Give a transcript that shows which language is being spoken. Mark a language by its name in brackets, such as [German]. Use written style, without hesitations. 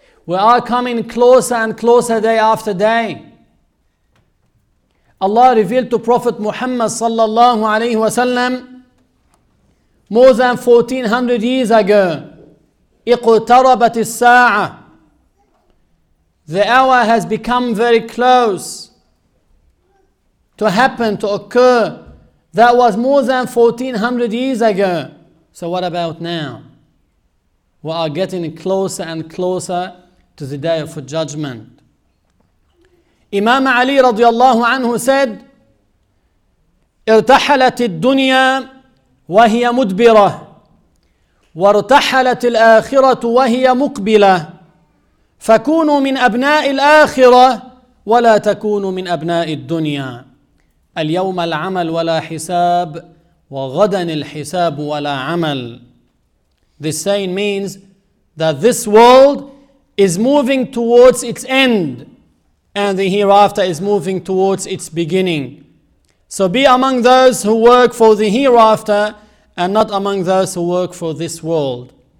[English] We are coming closer and closer day after day. Allah revealed to Prophet Muhammad sallallahu alayhi wa sallam more than 1400 years ago, [Arabic] اِقْتَرَبَتِ السَّاعَةِ, [English] the hour has become very close to happen, to occur. That was more than 1400 years ago. So what about now? We are getting closer and closer to the Day of Judgment. Imam Ali radiallahu anhu said, [Arabic] اِرْتَحَلَتِ الدُّنْيَا وَهِيَ مُدْبِرَةِ وَارْتَحَلَتِ الْآخِرَةُ وَهِيَ مُقْبِلَةِ فَكُونُوا مِنْ أَبْنَاءِ الْآخِرَةِ وَلَا تَكُونُوا مِنْ أَبْنَاءِ الدُّنْيَا. اليوم العمل ولا حساب وغدا الحساب ولا عمل. [English] This saying means that this world is moving towards its end and the hereafter is moving towards its beginning. So be among those who work for the hereafter and not among those who work for this world.